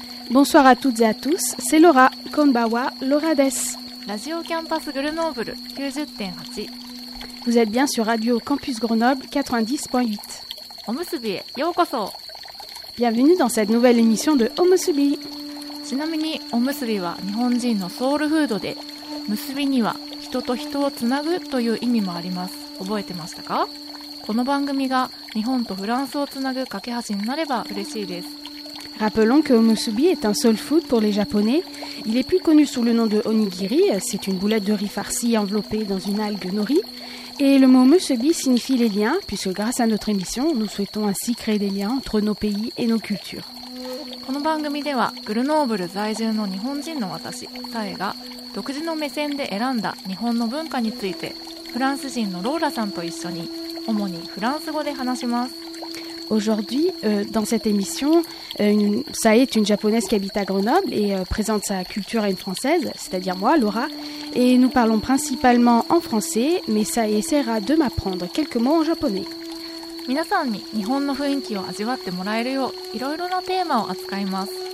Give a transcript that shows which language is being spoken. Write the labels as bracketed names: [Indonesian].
[French] Bonsoir à toutes et à tous, c'est Laura. [Japanese] Konbanwa, Laura desu. [French] Radio Campus Grenoble 90.8. Vous êtes bien sur Radio Campus Grenoble 90.8. [Japanese] Omusubi, yokoso. [French] Bienvenue dans cette nouvelle émission de Omusubi. [Japanese] ちなみにおむすびは日本人のソウルフードで、結びには人と人をつなぐという意味もあります。覚えてましたか？この番組が日本とフランスをつなぐ架け橋になれば嬉しいです。 [French] Rappelons que omusubi est un soul food pour les Japonais. Il est plus connu sous le nom de onigiri, c'est une boulette de riz farci enveloppée dans une algue nori. Et le mot omusubi signifie les liens, puisque grâce à notre émission, nous souhaitons ainsi créer des liens entre nos pays et nos cultures. [Japanese] この番組ではグルノーブル在住の日本人の私サエが独自の目線で選んだ日本の文化についてフランス人のローラさんと一緒に主にフランス語で話します。 [French] Aujourd'hui, dans cette émission, Sae est une japonaise qui habite à Grenoble et présente sa culture à une française, c'est-à-dire moi, Laura, et nous parlons principalement en français, mais Sae essaiera de m'apprendre quelques mots en japonais. [Japanese] 皆さんに日本の雰囲気を味わってもらえるよういろいろなテーマを扱います。